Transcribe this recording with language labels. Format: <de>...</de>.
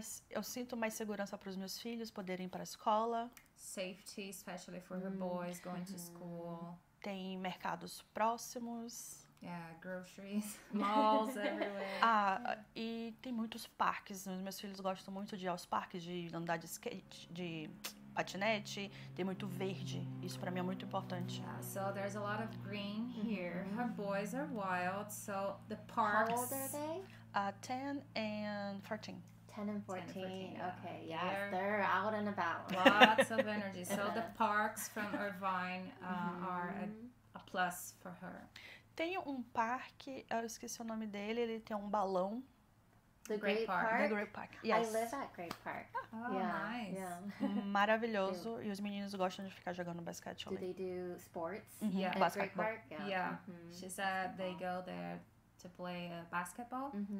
<pt>Eu sinto mais segurança para os meus filhos poderem ir para a escola.</pt> <en>Safety, especially for the boys going to school.</en> <pt>Tem mercados próximos.</pt> <en>Yeah, groceries, malls everywhere.</en> <pt>E tem muitos parques. Os meus filhos gostam muito de ir aos parques, de andar de skate, de patinete. Tem muito verde. Isso para mim é muito importante.</pt> <en>Yeah, so there's a lot of green here. Her boys are wild, so the parks... How old are they? 10 and 14. 10 and 14, okay, yeah. They're out and about. Lots of energy. So the parks from Irvine are a plus for her.</en> <pt>Tem parque, eu esqueci o nome dele, ele tem balão.</pt> <en>The Great Park? The Great Park, yes. I live at Great Park. Oh, yeah. Nice. Yeah.</en> <pt>Maravilhoso, e os meninos gostam de ficar jogando basquete.</pt> <en>Do they do sports? Yeah. At Great Park? Yeah. She said they go there to play basketball.</en>